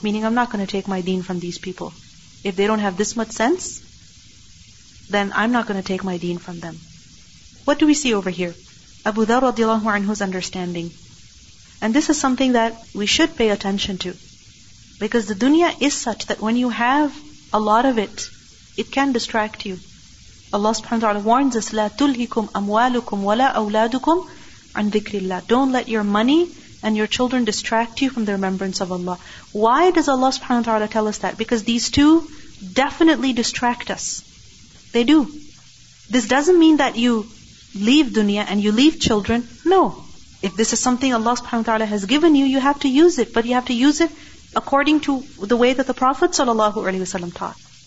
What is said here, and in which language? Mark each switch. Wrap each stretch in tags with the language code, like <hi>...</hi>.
<en>Meaning I'm not going to take my deen from these people. If they don't have this much sense, then I'm not going to take my deen from them. What do we see over here? Abu Dhar radiallahu anhu's understanding. And this is something that we should pay attention to. Because the dunya is such that when you have a lot of it, it can distract you. Allah subhanahu wa ta'ala warns us,</en> <ar>لا تلهكم أموالكم ولا أولادكم عن ذكر الله.</ar> <en>Don't let your money and your children distract you from the remembrance of Allah. Why does Allah subhanahu wa ta'ala tell us that? Because these two definitely distract us. They do. This doesn't mean that you leave dunya and you leave children. No. If this is something Allah subhanahu wa ta'ala has given you, you have to use it. But you have to use it according to the way that the Prophet sallallahu alaihi wasallam taught.</en>